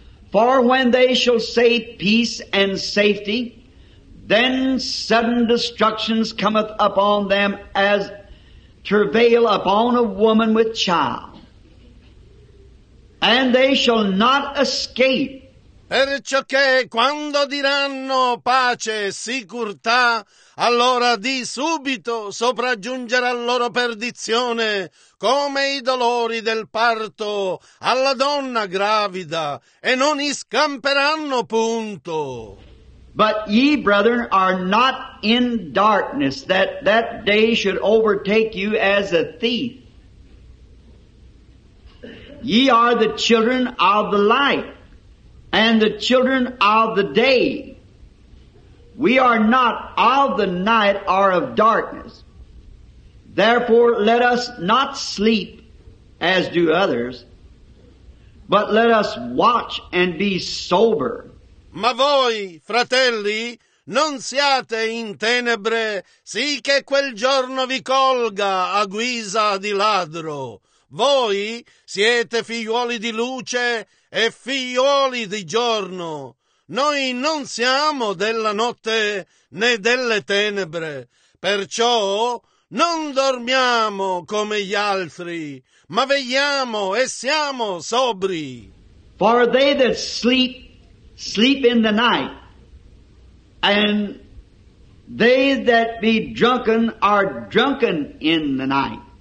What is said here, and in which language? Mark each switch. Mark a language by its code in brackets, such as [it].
[en] For when they shall say peace and safety, then sudden destruction cometh upon them as travail upon a woman with child. And they shall not escape. [it] Perciò che quando diranno pace e sicurtà, allora di subito sopraggiungerà loro perdizione, come i dolori del parto alla donna gravida, e non scamperanno punto. [en] But ye, brethren, are not in darkness, that that day should overtake you as a thief. Ye are the children of the light, and the children of the day. We are not of the night or of darkness. Therefore, let us not sleep as do others, but let us watch and be sober. [it] Ma voi, fratelli, non siate in tenebre, sì che quel giorno vi colga a guisa di ladro. Voi siete figlioli di luce e figlioli di giorno. Noi non siamo della notte né delle tenebre, perciò non dormiamo come gli altri, ma vegliamo e siamo sobri. [en] For they that sleep, sleep in the night, and they that be drunken are drunken in the night.